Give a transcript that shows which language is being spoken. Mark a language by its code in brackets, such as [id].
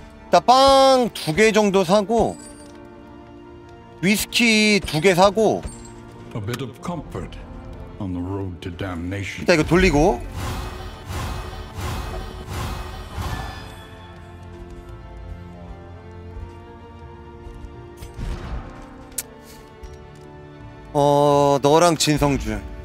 [ko] 자, 빵 두 개 정도 사고 위스키 두 개 사고 [en] A bit of comfort on the road to damnation. [ko] 자, 이거 돌리고 너랑 진성주